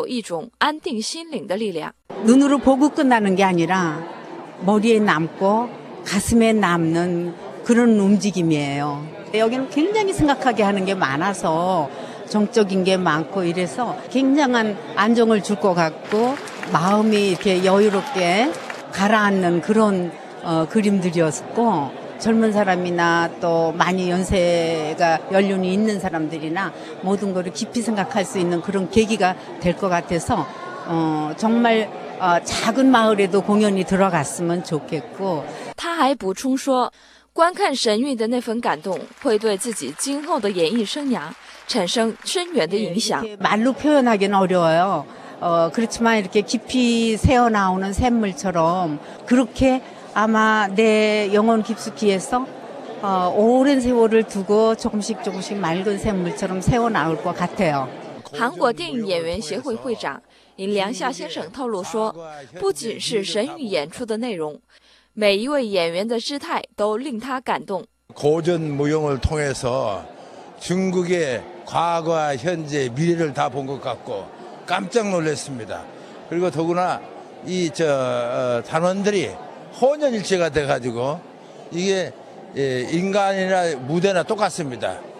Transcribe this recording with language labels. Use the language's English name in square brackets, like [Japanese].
[Chinese] 他还说神韵的演出具有一种安定心灵的力量. [Korean] 눈으로 보고 끝나는 게 아니라 머리에 남고 가슴에 남는 그런 움직임이에요. 여기는 굉장히 생각하게 하는 게 많아서 정적인 게 많고 이래서 굉장한 안정을 줄 것 같고 마음이 이렇게 여유롭게 가라앉는 그런 그림들이었고 젊은 사람이나 또 많이 연세가 연륜이 있는 사람들이나 모든 것을 깊이 생각할 수 있는 그런 계기가 될 것 같아서 정말 작은 마을에도 공연이 들어갔으면 좋겠고. [Chinese] 他还补充说， 观看神韵的那份感动会对自己今后的演艺生涯产生深远的影响。 [Korean] 말로 표현하기는 어려워요. 그렇지만 이렇게 깊이 새어 나오는 샘물처럼 그렇게 아마 내 영혼 깊숙이에서 오랜 세월을 두고 조금씩 조금씩 맑은 샘물처럼 새어 나올 것 같아요. [Chinese] 韩国电影演员协会会长尹良夏先生透露说，不仅是神韵演出的内容。每一位演员的姿态都令他感动。 [Korean] 고전 무용을 통해서 중국의 과거와 현재 미래를 다 본 것 같고 깜짝 놀랐습니다. 그리고 더구나 이 저 단원들이 혼연일체가 돼가지고 이게 인간이나 무대나 똑같습니다.